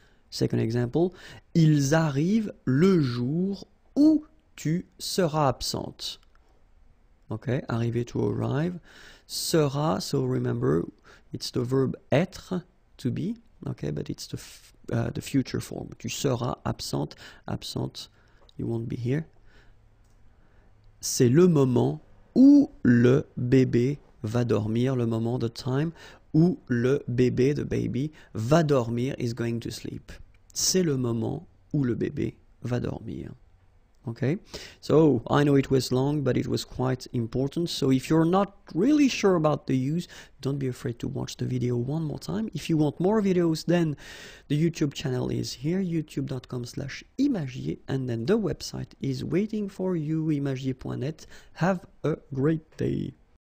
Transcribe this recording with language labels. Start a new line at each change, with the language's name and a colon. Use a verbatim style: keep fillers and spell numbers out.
English: Second example,
French: ils arrivent le jour où tu seras absente.
English: Okay, arriver, to arrive. Sera, so remember, it's the verb être, to be. Okay, but it's the f- uh, the future form.
French: Tu seras absente.
English: Absent, you won't be here.
French: C'est le moment où le bébé va dormir. Le moment,
English: the time,
French: où le bébé,
English: the baby,
French: va dormir,
English: is going to sleep.
French: C'est le moment où le bébé va dormir.
English: Okay, so I know it was long, but it was quite important. So if you're not really sure about the use, don't be afraid to watch the video one more time. If you want more videos, then the YouTube channel is here, youtube.com slash imagier, and then the website is waiting for you, imagier dot net. Have a great day.